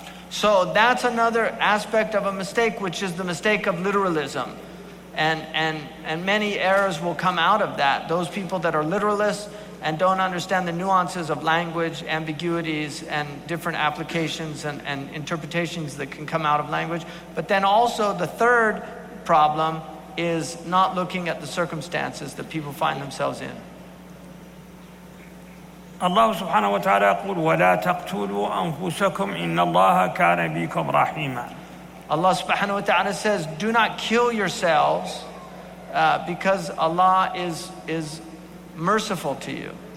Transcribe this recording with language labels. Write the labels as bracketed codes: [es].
[en] So that's another aspect of a mistake, which is the mistake of literalism. And many errors will come out of that. Those people that are literalists and don't understand the nuances of language, ambiguities, and different applications and interpretations that can come out of language. But then also the third problem is not looking at the circumstances that people find themselves in. [ar] Allah subhanahu wa ta'ala يقول وَلَا تَقْتُلُوا أَنفُسَكُمْ إِنَّ اللَّهَ كَانَ بِكُمْ رَحِيمًا. [en] Allah subhanahu wa ta'ala says, do not kill yourselves because Allah is merciful to you.